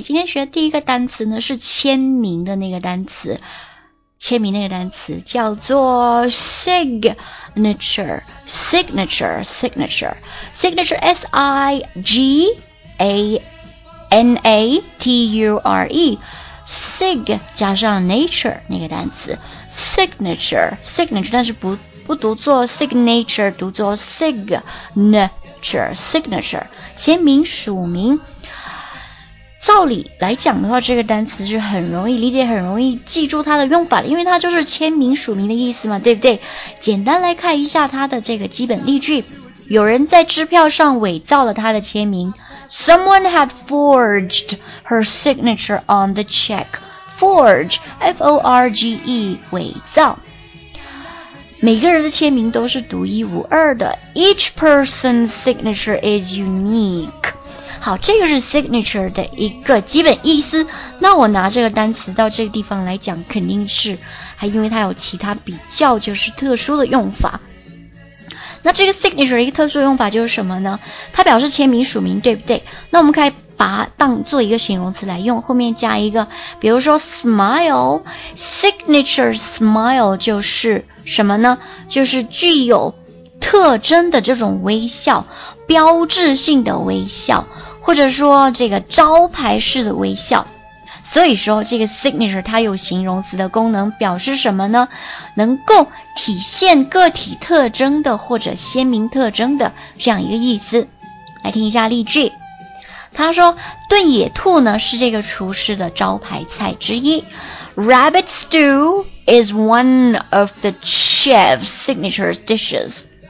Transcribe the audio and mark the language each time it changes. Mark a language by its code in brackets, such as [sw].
[zh] 今天学的第一个单词呢是签名的那个单词，签名那个单词叫做 signature SIGANATURE sig 加上 nature 那个单词 signature， 但是不读作 signature， 读作 signature， 签名署名。照理来讲的话，这个单词是很容易理解，很容易记住它的用法的，因为它就是签名署名的意思嘛，对不对？简单来看一下它的这个基本例句。有人在支票上伪造了他的签名。 [en] Someone had forged her signature on the check. [zh] Forge, F-O-R-G-E, 伪造。每个人的签名都是独一无二的。 [en] Each person's signature is unique. [zh] 好，这个是 signature 的一个基本意思。那我拿这个单词到这个地方来讲，肯定是还因为它有其他比较就是特殊的用法。那这个 signature 一个特殊用法就是什么呢？它表示签名署名，对不对？那我们可以把当做一个形容词来用，后面加一个，比如说 smile， signature smile 就是什么呢？就是具有特征的这种微笑，标志性的微笑，或者说这个招牌式的微笑。所以说这个 signature 它有形容词的功能，表示什么呢？能够体现个体特征的或者鲜明特征的这样一个意思。来听一下例句。他说炖野兔呢是这个厨师的招牌菜之一。 [en] Rabbit stew is one of the chef's signature dishes.